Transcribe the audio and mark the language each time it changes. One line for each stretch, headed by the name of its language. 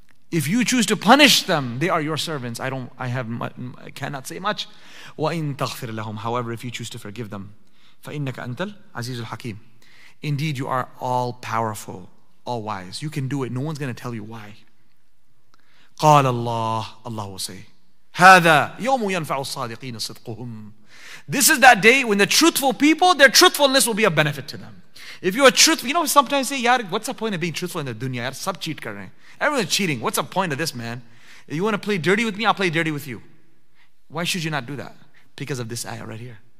English: If you choose to punish them, they are your servants. I cannot say much.
Arabic: وَإِن تَغْفِرْ لَهُمْ,
English: however, if you choose to forgive them,
Arabic: فَإِنَّكَ أَنْتَ الْعَزِيزُ الْحَكِيمُ,
English: indeed you are all powerful, all wise. You can do it. No one's going to tell you why.
Arabic: قال الله,
English: Allah will say,
Arabic: هذا يوم ينفع الصادقين صدقهم.
English: This is that day when the truthful people, their truthfulness will be a benefit to them. If you are truthful, you know, sometimes say, yaar, what's the point of being truthful in the dunya?
Urdu: Yaar, sab cheat kar rahe hain.
English: Everyone's cheating. What's the point of this, man? You want to play dirty with me? I'll play dirty with you. Why should you not do that? Because of this ayah right here.